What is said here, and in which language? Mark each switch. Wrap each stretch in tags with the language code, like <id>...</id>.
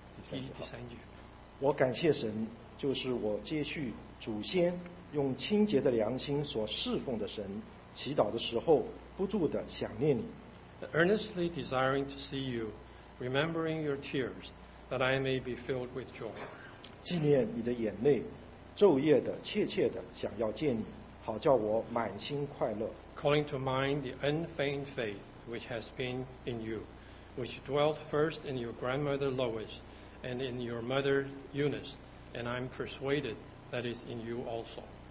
<zh>第三句，我感谢神，就是我接续祖先用清洁的良心所侍奉的神，祈祷的时候不住地想念你。</zh> <en>Earnestly desiring to see you, remembering your tears, that I may be filled with joy.</en> <zh>纪念你的眼泪，昼夜的切切的想要见你，好叫我满心快乐。</zh> <en>Calling to mind the unfeigned faith which has been in you, which dwelt first in your grandmother Lois and in your mother Eunice, and I'm persuaded that is in you also.</en>